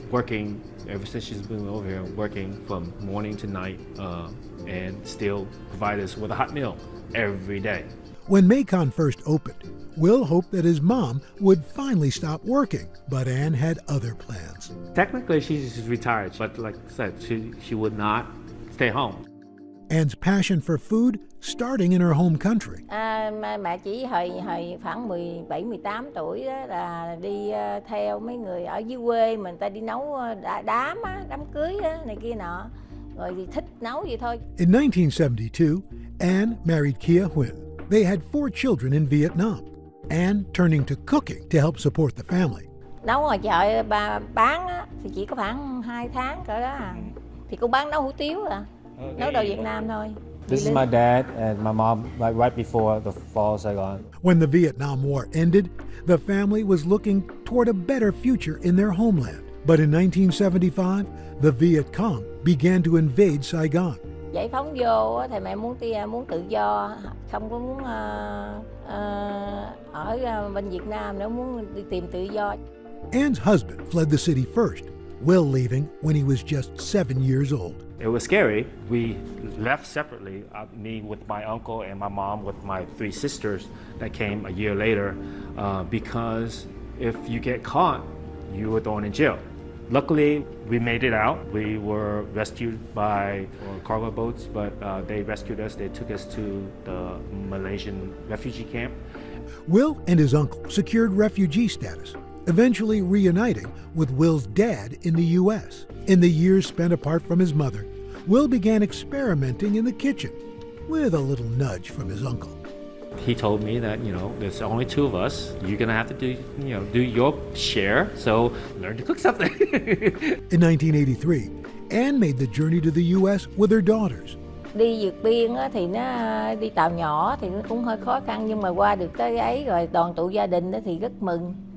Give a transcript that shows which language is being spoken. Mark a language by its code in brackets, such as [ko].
[en] Working ever since she's been over here, working from morning to night, and still provide us with a hot meal every day. When Mekong first opened, Will hoped that his mom would finally stop working, but Anne had other plans. Technically, she's retired, but like I said, she would not stay home. Anne's passion for food starting in her home country. [vi] Mẹ chỉ hồi khoảng 17, 18 tuổi đó là đi theo mấy người ở dưới quê mình ta đi nấu đám á, đám cưới á, này kia nọ. Rồi thì thích nấu vậy thôi. [en] In 1972, Anne married Kia Huynh. They had four children in Vietnam. Anne turning to cooking to help support the family. [vi] Nấu ở chợ bà bán á, thì chỉ có khoảng 2 tháng cỡ đó à. Thì cũng bán nấu hủ tiếu à. Nấu đồ Việt Nam thôi. [en] This is my dad and my mom, like right before the fall of Saigon. When the Vietnam War ended, the family was looking toward a better future in their homeland. But in 1975, the Viet Cong began to invade Saigon. [vi] Giải phóng vô thì mẹ muốn tia muốn tự do, không có muốn ở bên Việt Nam nữa, muốn đi tìm tự do. [en] Anne's husband fled the city first, Will leaving when he was just 7 years old. It was scary. We left separately, me with my uncle and my mom with my three sisters that came a year later, because if you get caught, you were thrown in jail. Luckily, we made it out. We were rescued by cargo boats, but they rescued us. They took us to the Malaysian refugee camp. Will and his uncle secured refugee status, eventually reuniting with Will's dad in the U.S. In the years spent apart from his mother, Will began experimenting in the kitchen with a little nudge from his uncle. He told me that, you know, there's only two of us. You're going to have to do, you know, do your share. So learn to cook something. In 1983, Anne made the journey to the U.S. with her daughters. [vi] Đi vượt biên thì nó đi tàu nhỏ thì nó cũng hơi khó khăn, nhưng mà qua được tới ấy rồi đoàn tụ gia đình thì rất mừng.